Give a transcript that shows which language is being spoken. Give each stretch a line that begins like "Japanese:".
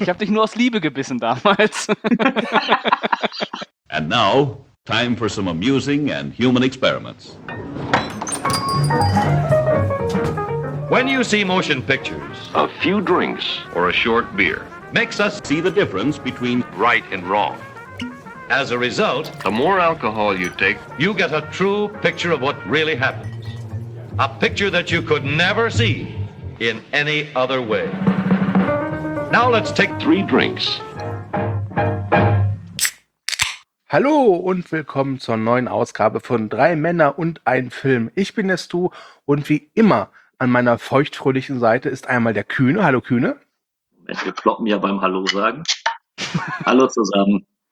German: Ich habe dich nur aus Liebe gebissen damals.
English: And now, time for some amusing and human experiments. When you see motion pictures, a few drinks or a short beer makes us see the difference between right and wrong. As a result, the more alcohol you take, you get a true picture of what really happens. A picture that you could never see in any other way. Now let's take three drinks.
German: Hallo und willkommen zur neuen Ausgabe von Drei Männer und ein Film. Ich bin der Stu und wie immer an meiner feuchtfröhlichen Seite ist einmal der Kühne. Hallo Kühne. Wir kloppen ja beim Hallo sagen. Hallo zusammen.